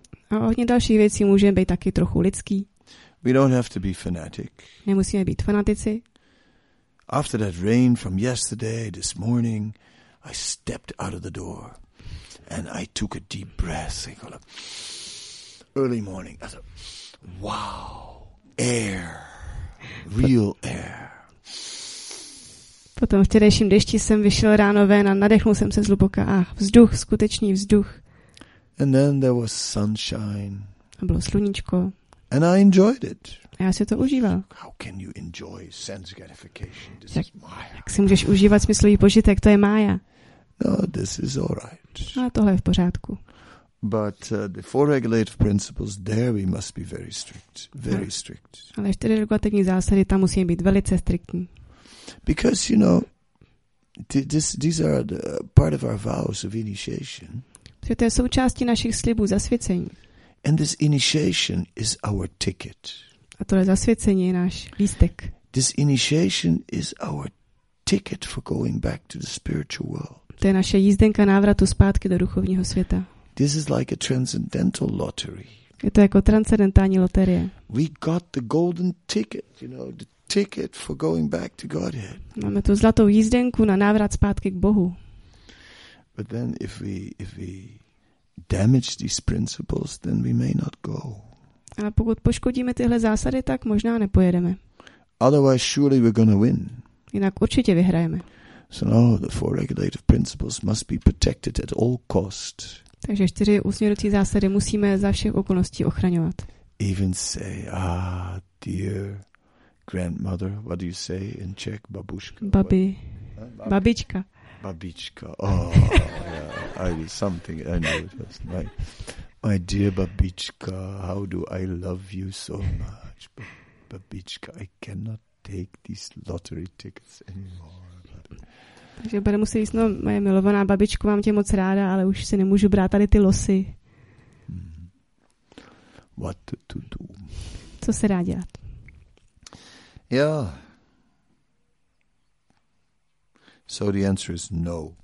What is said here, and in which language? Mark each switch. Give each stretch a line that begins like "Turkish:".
Czech: A ohledně další věcí můžeme být taky trochu lidský.
English: We don't have to be fanatic.
Czech: Nemusíme být fanatici.
English: After that rain from yesterday, this morning, I stepped out of the door and I took a deep breath. I call it early morning. I thought, wow, air, real air.
Czech: Potom včerejším dešti jsem vyšel ráno ven a nadechnul jsem se zhluboka. Ach, vzduch, skutečný vzduch.
English: And then there was sunshine.
Czech: A bylo sluníčko.
English: And I enjoyed it.
Czech: A já si to užíval.
English: How can you enjoy sense gratification? This is Maya.
Czech: Jak si můžeš užívat smyslový požitek? To je Maya.
English: No, this is all right.
Czech: A tohle je v pořádku.
English: But the four regulative principles, there we must be very strict. Very strict.
Czech: Ale čtyři regulativní zásady, tam musíme být velice striktní.
English: Because, you know, these are the part of our vows of initiation.
Czech: To je součástí našich slibů zasvěcení.
English: And this initiation is our ticket.
Czech: A tohle zasvěcení je náš lístek.
English: This initiation is our ticket for going back to the spiritual world.
Czech: To je naše jízdenka návratu zpátky do duchovního světa.
English: This is like a transcendental lottery.
Czech: Je to jako transcendentální loterie.
English: We got the golden ticket, you know, the ticket for going back to Godhead.
Czech: Máme tu zlatou jízdenku na návrat zpátky k Bohu.
English: But then if we damage these principles, then we may not go.
Czech: A pokud poškodíme tyhle zásady, tak možná nepojedeme.
English: Otherwise surely we're going to win.
Czech: Jinak určitě vyhrajeme.
English: So no, the four regulative principles must be protected at all cost.
Czech: Takže čtyři usměrující zásady musíme za všech okolností ochraňovat.
English: Even say, ah, dear grandmother, what do you say in Czech, babuška?
Czech: Babi. Babička.
English: Babička. Oh, yeah, I do something. I know it was like, my dear babička, how do I love you so much? Babička, I cannot take these lottery tickets anymore.
Czech: Takže bude muset jít, no, moje milovaná babičko, mám tě moc ráda, ale už si nemůžu brát tady ty losy.
English: What to do?
Czech: Co se dá dělat?
English: Yeah. So the answer is no.